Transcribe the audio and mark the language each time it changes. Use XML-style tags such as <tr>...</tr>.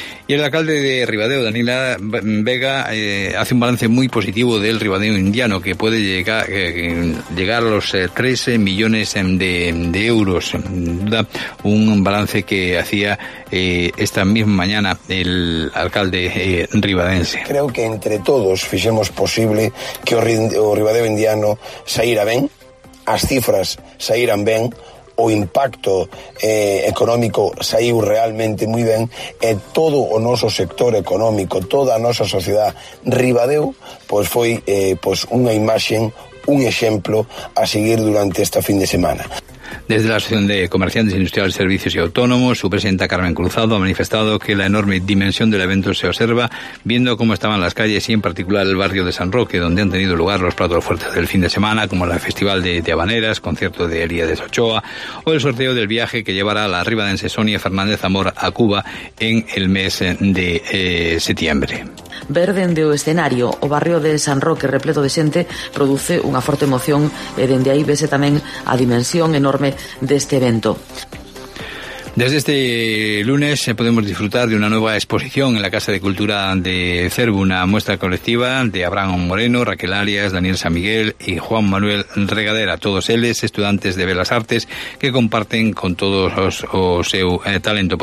<es>Y el alcalde de Ribadeo, Daniela Vega, hace un balance muy positivo del Ribadeo Indiano, que puede llegar a los 13 millones de euros. Un balance que hacía esta misma mañana el alcalde ribadense.</es> <gl>Creo que entre todos fixemos posible que o Ribadeo Indiano saíra ben, as cifras saíran ben, o impacto económico saiu realmente moi ben, e todo o noso sector económico, toda a nosa sociedade, Ribadeo, pois foi pois unha imaxe, un exemplo a seguir durante esta fin de semana.</gl> <es>Desde la Asociación de Comerciantes, Industriales, Servicios y Autónomos, su presidenta Carmen Cruzado ha manifestado que la enorme dimensión del evento se observa viendo cómo estaban las calles y en particular el barrio de San Roque, donde han tenido lugar los platos fuertes del fin de semana, como el Festival de Habaneras, concierto de Elías Ochoa o el sorteo del viaje que llevará a la ribadense Sonia Fernández Amor a Cuba en el mes de septiembre.</es> <gl>Verde dende o escenario, o barrio de San Roque repleto de xente produce unha forte emoción e dende aí vese tamén a dimensión enorme deste evento.</gl> <es>Desde este lunes podemos disfrutar de una nueva exposición en la Casa de Cultura de Cervo, una muestra colectiva de Abraham Moreno, Raquel Arias, Daniel San Miguel y Juan Manuel Regadera, todos ellos estudiantes de Bellas Artes que comparten con todos</es> <gl>o seu talento.</gl>